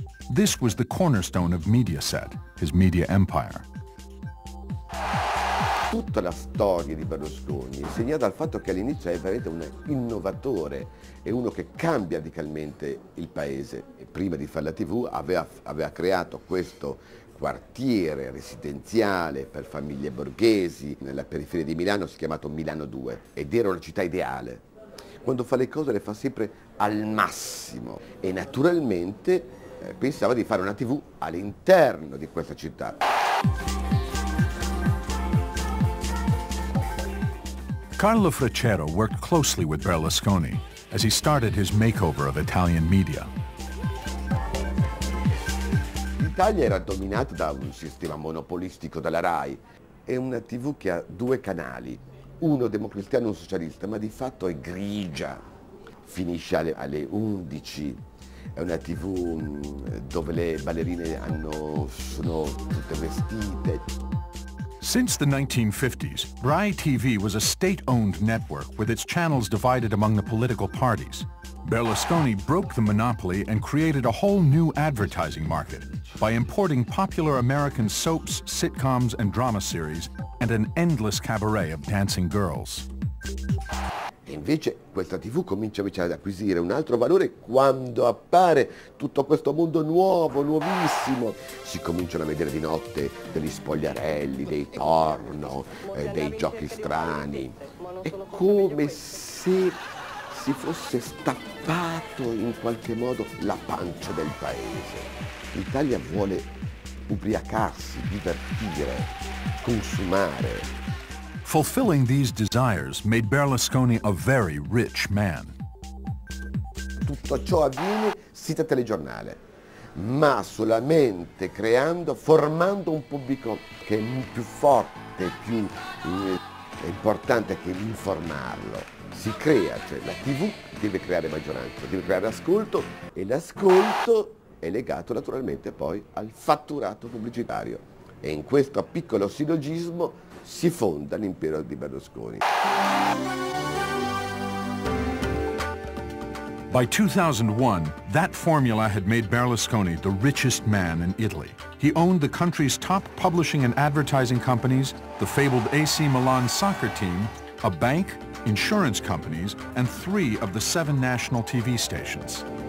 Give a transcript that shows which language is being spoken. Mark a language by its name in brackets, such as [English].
[English] This was the cornerstone of Mediaset, his media empire. [Italian] Tutta la storia di Berlusconi è segnata dal fatto che all'inizio è veramente un innovatore e uno che cambia radicalmente il paese. Prima di fare la TV aveva creato questo quartiere residenziale per famiglie borghesi nella periferia di Milano, si è chiamato Milano 2, ed era una città ideale. Quando fa le cose le fa sempre al massimo e naturalmente pensava di fare una TV all'interno di questa città. [English] Carlo Fracero worked closely with Berlusconi as he started his makeover of Italian media. [Italian] L'Italia era dominata da un sistema monopolistico della RAI. È una TV che ha due canali, uno democristiano e uno socialista, ma di fatto è grigia. Finisce alle 11. È una TV dove le ballerine sono tutte vestite. [English] Since the 1950s, Rai TV was a state-owned network with its channels divided among the political parties. Berlusconi broke the monopoly and created a whole new advertising market by importing popular American soaps, sitcoms, and drama series and an endless cabaret of dancing girls. [Italian] Invece questa TV comincia invece ad acquisire un altro valore quando appare tutto questo mondo nuovo, nuovissimo. Si cominciano a vedere di notte degli spogliarelli, dei porno, dei giochi strani. È come se si fosse stappato in qualche modo la pancia del paese. L'Italia vuole ubriacarsi, divertire, consumare. [English] Fulfilling these desires made Berlusconi a very rich man. [Italian] Tutto ciò avviene sita telegiornale, ma solamente creando, formando un pubblico che è più forte, più importante che informarlo. Si crea, cioè la TV deve creare maggioranza, deve creare ascolto, e l'ascolto è legato naturalmente poi al fatturato pubblicitario. E in questo piccolo sillogismo si fonda l'impero di Berlusconi. [English] By 2001, that formula had made Berlusconi the richest man in Italy. He owned the country's top publishing and advertising companies, the fabled AC Milan soccer team, a bank, insurance companies, and three of the seven national TV stations.